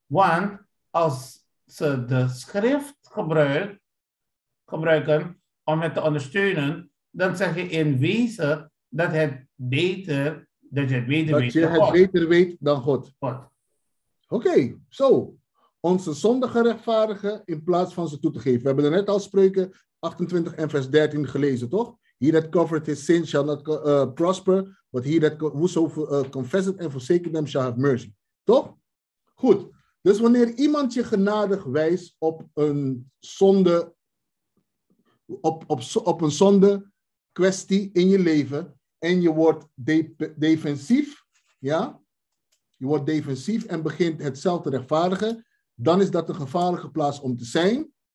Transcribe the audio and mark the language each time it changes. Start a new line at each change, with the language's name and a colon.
Dutch: Want als ze de schrift gebruiken om het te ondersteunen, dan zeg je in wezen dat het beter, dat je het beter dat weet je dan het God. Beter weet dan God. God. Oké, zo. Onze zondige rechtvaardigen in plaats van ze toe te geven. We hebben er net al Spreuken 28 en vers 13 gelezen, toch?
English: He that covereth his sin shall not prosper, but he that confesseth and forsaketh them shall have mercy.
Dutch: Toch? Goed. Dus wanneer iemand je genadig wijst op een zonde, op een zonde kwestie in je leven, en je wordt defensief, ja? Je wordt defensief en begint hetzelfde rechtvaardigen, dan is dat een gevaarlijke plaats om te zijn.